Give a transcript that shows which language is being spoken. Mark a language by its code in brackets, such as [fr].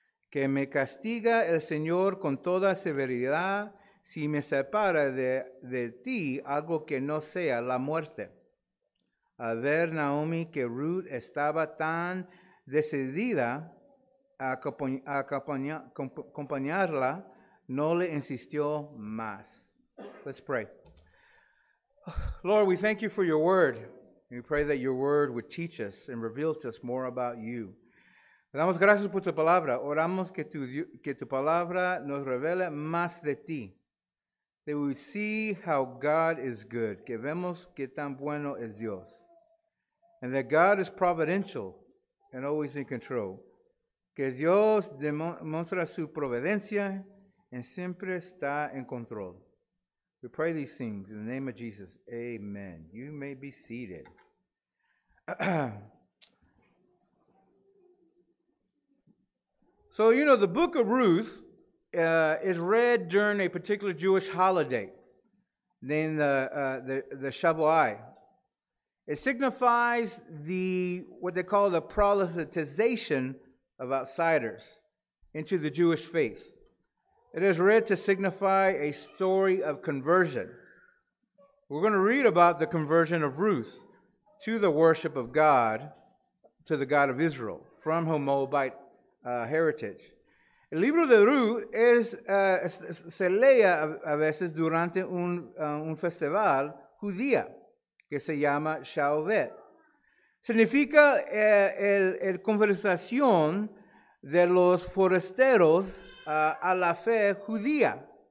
[es] Que me castiga el Señor con toda severidad si me separa de ti algo que no sea la muerte. Al ver Naomi que Ruth estaba tan decidida a acompañarla, no le insistió más. [en] Let's pray. Lord, we thank you for your word. We pray that your word would teach us and reveal to us more about you. [es] Damos gracias por tu palabra. Oramos que tu palabra nos revele más de ti. [en] That we see how God is good. [es] Que vemos que tan bueno es Dios. [en] And that God is providential and always in control. [es] Que Dios demuestra su providencia y siempre está en control. [en] We pray these things in the name of Jesus. Amen. You may be seated. So, you know, the book of Ruth is read during a particular Jewish holiday, named the Shavuot. It signifies the what they call the proselytization of outsiders into the Jewish faith. It is read to signify a story of conversion. We're going to read about the conversion of Ruth to the worship of God, to the God of Israel, from her Moabite heritage. [es] El libro de Ruth se lee a veces durante un festival judía que se llama Shavuot. Significa el conversación de los forasteros a la fe judía.